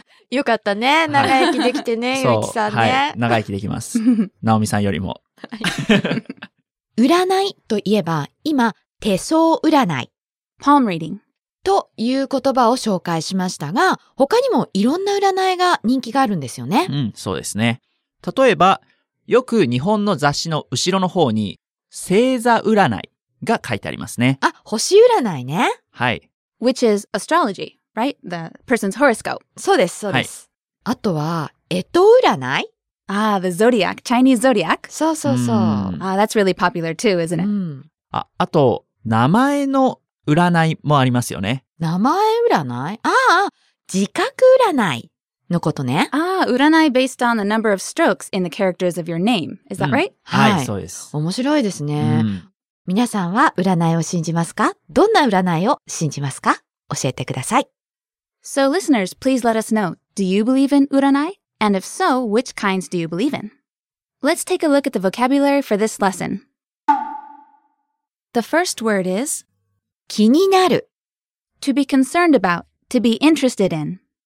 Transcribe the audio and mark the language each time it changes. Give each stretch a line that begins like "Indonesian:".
Japanese: よかったね。長生きできてね、ゆういちさんね。はい。長生きできます。ナオミさんよりも。占いといえば、今、手相占い。
English: Palm reading。
Japanese: という言葉を紹介しましたが、他にもいろんな占いが人気があるんですよね。うん、そうですね。例えば、よく日本の雑誌の後ろの方に、星座占いが書いてありますね。あ、星占いね。はい。
English: Which is astrology, right? The person's horoscope.
Japanese: そうです、そうです。はい、あとは、えと占い？
English: あ、the zodiac, Chinese zodiac.
Japanese: そうそうそう。
English: あ、that's really popular too, isn't it?
Japanese: あと、名前の占いもありますよね。名前占い？ああ、自覚占い。のことね。
English: ああ、占い based on the number of strokes in the characters of your name. Is that right?、
Japanese: うん、はい、そうです。面白いですね、うん。皆さんは占いを信じますか？どんな占いを信じますか？教えてください。
English: So listeners, please let us know. Do you believe in 占い? And if so, which kinds do you believe in? Let's take a look at the vocabulary for this lesson. The first word is
Japanese: 気になる
English: To be concerned about, to be interested in.